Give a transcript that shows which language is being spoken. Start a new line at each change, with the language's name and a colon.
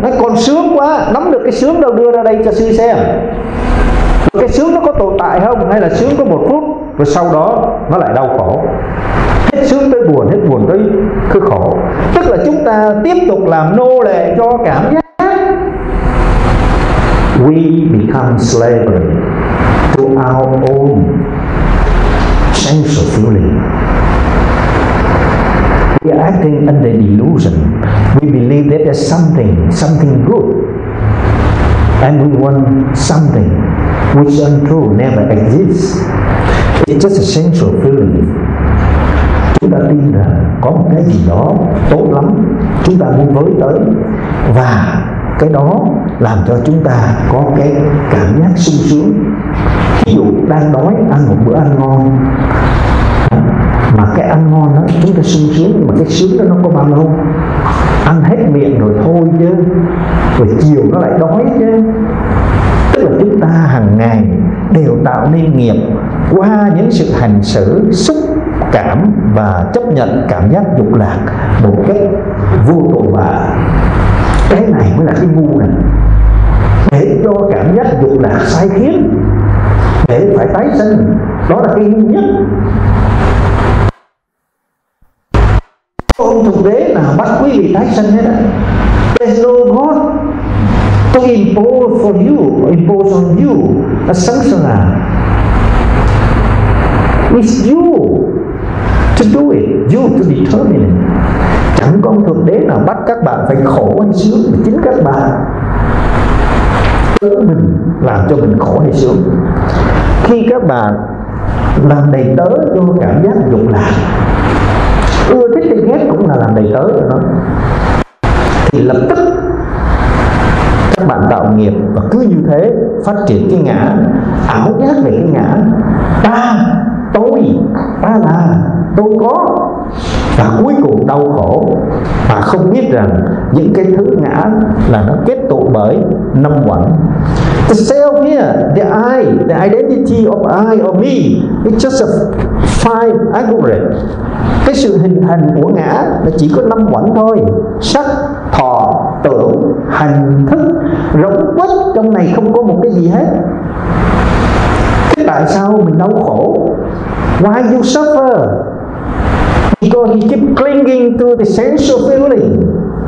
Vietnamese: Nó còn sướng quá, nắm được cái sướng đâu đưa ra đây cho sư xem. Cái sướng nó có tồn tại không? Hay là sướng có một phút rồi sau đó nó lại đau khổ? Hết sướng tới buồn, hết buồn tới cứ khổ. Tức là chúng ta tiếp tục làm nô lệ cho cảm giác.
English: We become slavery to our own sense of feeling. We are acting under the illusion. We believe that there's something, something good, and we want something which untrue, never exists. It's just a sense of feeling.
Vietnamese: Chúng ta tin rằng có một cái gì đó tốt lắm, chúng ta muốn với tới, và cái đó làm cho chúng ta có cái cảm giác sung sướng. Ví dụ đang đói ăn một bữa ăn ngon, mà cái ăn ngon đó chúng ta sung sướng, nhưng mà cái sướng đó nó có bằng không? Ăn hết miệng rồi thôi chứ, rồi chiều nó lại đói chứ. Tức là chúng ta hàng ngày đều tạo nên nghiệp qua những sự hành xử, xúc cảm và chấp nhận cảm giác dục lạc một cách vô tội vạ. Cái này mới là cái ngu này. Để cho cảm giác dục lạc sai khiến, để phải tái sinh, đó là cái ngu nhất. Ông thực tế nào bắt quý vị tái sinh hết á?
English: There's no God to impose for you, impose on you a sanctuary. It's you to do it, you to determine it.
Vietnamese: Chẳng có thực tế nào bắt các bạn phải khổ hay sướng, mà chính các bạn tự mình làm cho mình khổ hay sướng. Khi các bạn làm đầy tớ cho cảm giác dục lạc, ưa thích hay ghét cũng là làm đầy tớ cho nó, thì lập tức các bạn tạo nghiệp và cứ như thế phát triển cái ngã, ảo giác về cái ngã. Ta, tôi, ta là, tôi có, và cuối cùng đau khổ và không biết rằng những cái thứ ngã là nó kết tụ bởi năm uẩn.
English: The self here, the I, the identity of I or me, it's just a five aggregate.
Vietnamese: Cái sự hình thành của ngã là chỉ có năm uẩn thôi: sắc, thọ, tưởng, hành, thức. Rỗng quách trong này không có một cái gì hết. Thế tại sao mình đau khổ?
English: Why you suffer? Because he keep clinging to the sense of feeling.